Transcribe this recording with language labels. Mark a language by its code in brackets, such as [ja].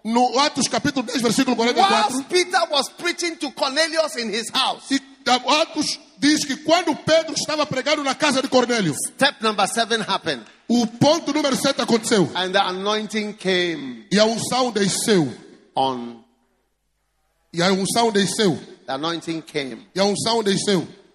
[pt] No Atos capítulo 10 versículo 44. [en] While Peter was preaching to Cornelius in his house. [pt] Atos diz que quando Pedro estava pregando na casa de Cornélio. [en] Step number 7 happened. [pt] O ponto número 7 aconteceu. [en] And the anointing came. [pt] E a unção desceu. [en] On. [pt] E a unção desceu. [en] The anointing came. [pt] E a unção desceu.